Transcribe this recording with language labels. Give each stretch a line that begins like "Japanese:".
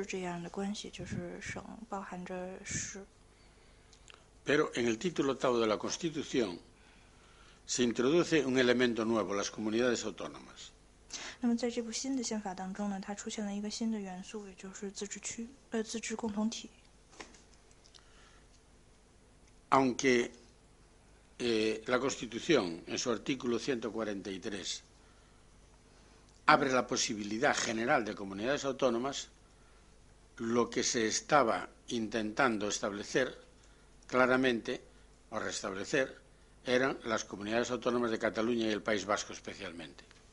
Chinese: 那么我们关心的呢，就是西班牙跟自治有关的问题。那在这儿呢，我要说到的是，虽然颁布了新的宪法，那么西班牙仍旧保持了过去的这个省还有它的市这样的关系，就是省包含着市。
Spanish: Pero en el título octavo de la Constitución se introduce un elemento nuevo, las comunidades autónomas.
Chinese: 那么在这部新的宪法当中呢，它出现了一个新的元素，也就是自治区，自治共同体。
Spanish: Aunque la Constitución, en su artículo 143, abre la posibilidad general de comunidades autónomas, lo que se estaba intentando establecer claramente o restablecer eran las comunidades autónomas de Cataluña y el País Vasco especialmente.